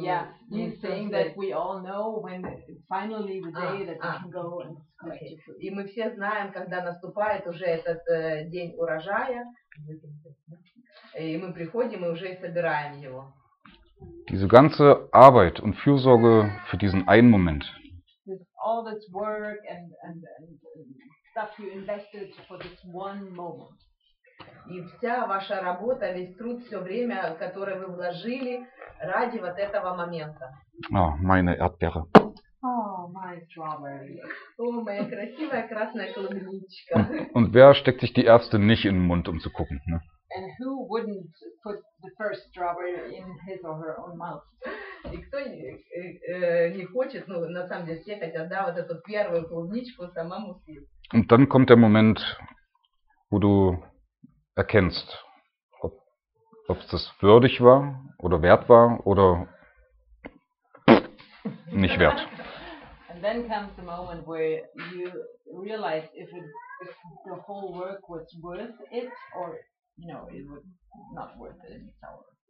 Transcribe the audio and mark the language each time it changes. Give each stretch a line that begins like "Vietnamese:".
English: Yeah, he's saying that we all know when it's finally the day that you can go and collect your food.
Russian: И мы все знаем, когда наступает уже этот день урожая. И мы приходим и уже собираем его.
German: Diese ganze Arbeit und Fürsorge für diesen einen Moment.
English: With all this work and stuff you invested for this one moment.
Russian: И вся ваша работа, весь труд, все время, которое вы вложили ради вот этого момента.
German: О, meine Erdbeere.
English: О, my strawberry.
Russian: О, моя красивая красная клубничка.
German: Und wer steckt sich die erste nicht in den Mund, um zu gucken, ne?
English: And who wouldn't put the first strawberry in his or her own mouth?
Russian: Никто не хочет, ну, на самом деле, все хотят, да, вот эту первую клубничку самому съесть.
German: Und dann kommt der Moment, wo du erkennst, ob es das würdig war oder wert war oder nicht wert.
English: And then comes the moment where you realize if the whole work was worth it or you know it was not worth it anymore.